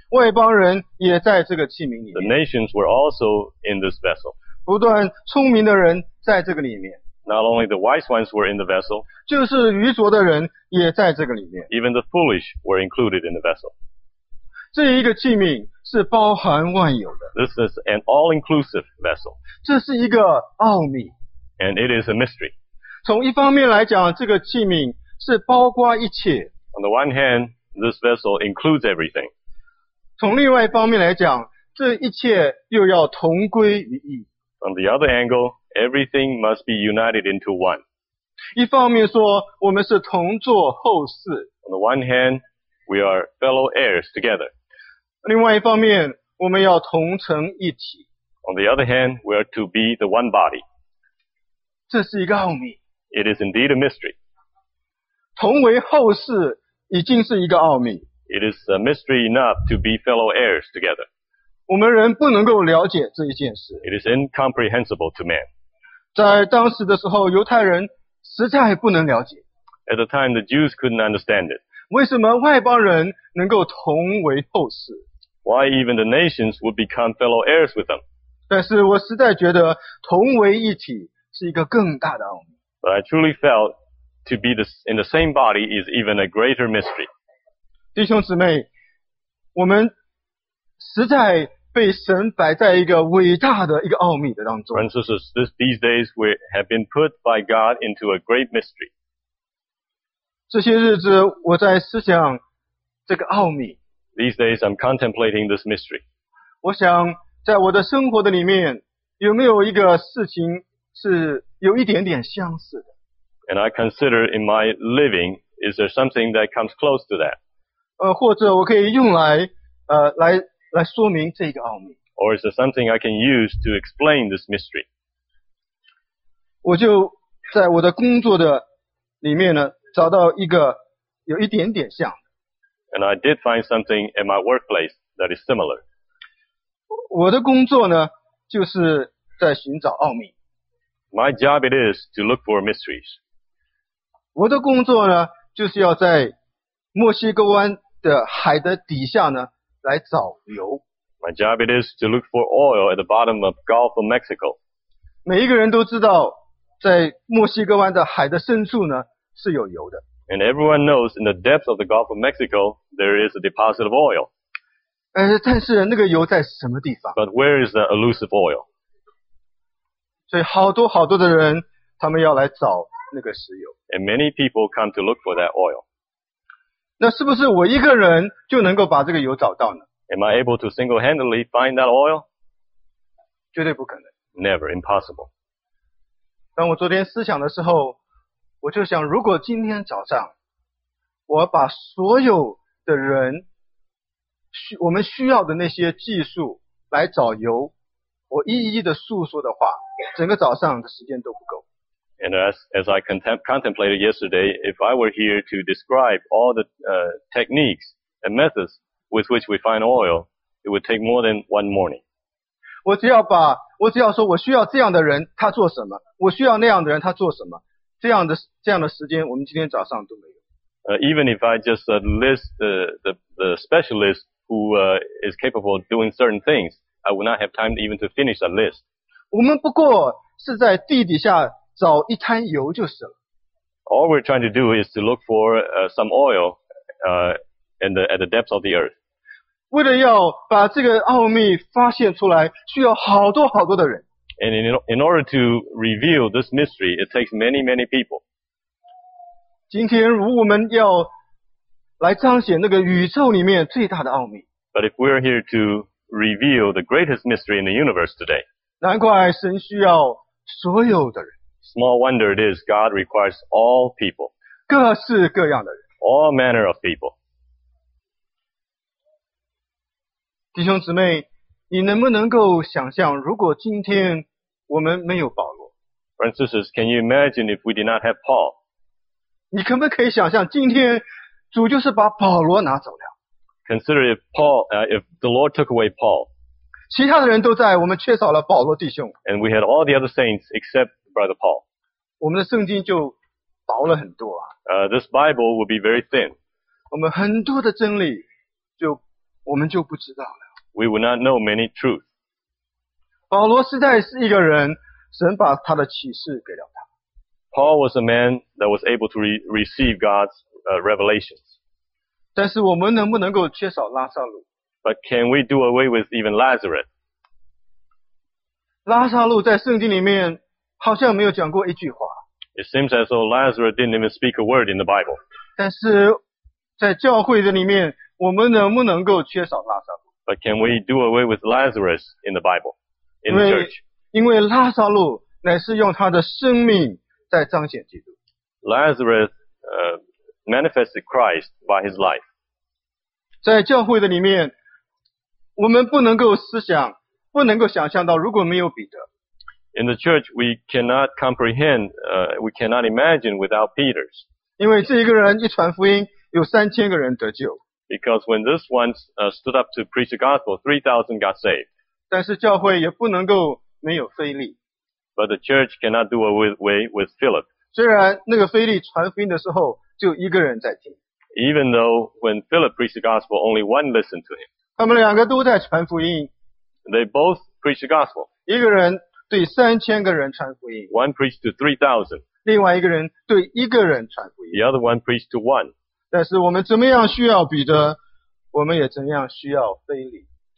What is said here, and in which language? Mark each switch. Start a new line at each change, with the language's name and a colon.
Chinese: 外邦人也在这个器皿里面。
English: The nations were also in this vessel.
Chinese: 不断聪明的人在这个里面。
English: Not only the wise ones were in the vessel.
Chinese: 就是愚拙的人也在这个里面。
English: Even the foolish were included in the vessel.
Chinese: 这一个器皿是包含万有的。
English: This is an all-inclusive vessel.
Chinese: 这是一个奥秘。
English: And it is a mystery.
Chinese: 从一方面来讲，这个器皿是包括一切。
English: On the one hand, this vessel includes everything.
Chinese: 从另外一方面来讲，这一切又要同归于一。
English: On the other angle, everything must be united into one.
Chinese: 一方面说，我们是同坐后嗣。
English: On the one hand, we are fellow heirs together.
Chinese: 另外一方面，我们要同成一体。
English: On the other hand, we are to be the one body.
Chinese: 这是一个奥秘。
English: It is indeed a mystery.
Chinese: 同为后嗣已经是一个奥秘。
English: It is a mystery enough to be fellow heirs together.
Chinese: 我们人不能够了解这一件事。
English: It is incomprehensible to man.
Chinese: 在当时的时候，犹太人实在不能了解。
English: At the time, the Jews couldn't understand it.
Chinese: 为什么外邦人能够同为后嗣？
English: Why even the nations would become fellow heirs with them?
Chinese: 但是我实在觉得同为一体是一个更大的奥秘。
English: But I truly felt to be in the same body is even a greater mystery.
Chinese: 弟兄姊妹，我们实在被神摆在一个伟大的一个奥秘的当中。
English: Friends and sisters, these days we have been put by God into a great mystery.
Chinese: 这些日子我在思想这个奥秘。
English: These days, I'm contemplating this mystery.
Chinese: 我想在我的生活的里面有没有一个事情是有一点点相似的。
English: And I consider in my living, is there something that comes close to that?
Chinese: 或者我可以用来来说明这个奥秘。
English: Or is there something I can use to explain this mystery?
Chinese: 我就在我的工作的里面呢找到一个有一点点像。
English: And I did find something in my workplace that is similar.
Chinese: 我的工作呢，就是在寻找奥秘。
English: My job it is to look for mysteries.
Chinese: 我的工作呢，就是要在墨西哥湾的海的底下呢，来找油。
English: My job it is to look for oil at the bottom of Gulf of Mexico.
Chinese: 每一个人都知道，在墨西哥湾的海的深处呢，是有油的。
English: And everyone knows in the depths of the Gulf of Mexico, there is a deposit of oil.
Chinese: 但是那个油在什么地方？
English: But where is the elusive oil?
Chinese: 所以好多好多的人，他们要来找那个石油。
English: And many people come to look for that oil.
Chinese: 那是不是我一个人就能够把这个油找到呢？
English: Am I able to single-handedly find that oil?
Chinese: 绝对不可能。
English: Never, impossible.
Chinese: 当我昨天思想的时候，我就想，如果今天早上我把所有的人我们需要的那些技术来找油，我一一的诉说的话，整个早上的时间都不够。
English: And as I contemplated yesterday, if I were here to describe all the techniques and methods with which we find oil, it would take more than one morning.
Chinese: 我只要说我需要这样的人，他做什么？我需要那样的人，他做什么？这样的时间我们今天早上都没有。
English: Even if I just list the specialist who is capable of doing certain things, I would not have time even to finish a list.
Chinese: 我们不过是在地底下找一滩油就是了。
English: All we're trying to do is to look for some oil at the depths of the earth.
Chinese: 为了要把这个奥秘发现出来，需要好多好多的人。
English: And in order to reveal this mystery, it takes many, many people.
Chinese: 今天如果我们要来彰显那个宇宙里面最大的奥秘。
English: But if we're here to reveal the greatest mystery in the universe today.
Chinese: 难怪神需要所有的人。
English: Small wonder it is, God requires all people.
Chinese: 各式各样的人。
English: All manner of people.
Chinese: 弟兄姊妹，你能不能够想象，如果今天我们没有保罗
English: ？Francis, can you imagine if we did not have Paul?
Chinese: 你可不可以想象，今天主就是把保罗拿走了
English: ？Consider if Paul, if the Lord took away Paul.
Chinese: 其他的人都在，我们缺少了保罗弟兄。
English: And we had all the other saints except Brother Paul.
Chinese: 我们的圣经就薄了很多啊。
English: This Bible would be very thin.
Chinese: 我们很多的真理我们就不知道了。
English: We would not know many truths.
Chinese: 保罗实在是一个人，神把他的启示给了他。
English: Paul was a man that was able to receive God's revelations.
Chinese: 但是我们能不能够缺少拉撒路？
English: But can we do away with even Lazarus?
Chinese: 拉撒路在圣经里面好像没有讲过一句话。
English: It seems as though Lazarus didn't even speak a word in the Bible.
Chinese: 但是在教会的里面，我们能不能够缺少拉撒路？
English: But can we do away with Lazarus in the Bible, in the church?
Chinese: 因为拉撒路乃是用他的生命在彰显基督。
English: Lazarus manifested Christ by his life.
Chinese: 在教会的里面，我们不能够思想，不能够想象到如果没有彼得。
English: In the church, we cannot comprehend, we cannot imagine without Peter.
Chinese: 因为这一个人一传福音，有三千个人得救。
English: Because when this one stood up to preach the gospel, 3,000 got saved.
Chinese: 但是教会也不能够没有腓力。
English: But the church cannot do away with Philip.
Chinese: 虽然那个腓力传福音的时候就一个人在听。
English: Even though when Philip preached the gospel, only one listened to him.
Chinese: 他们两个都在传福音。
English: They both preached the gospel.
Chinese: 一个人对三千个人传福音。
English: One preached to 3,000.
Chinese: 另外一个人对一个人传福音。
English: The other one preached to one.
Chinese: 但是我们怎么样需要彼得，我们也怎样需要腓力。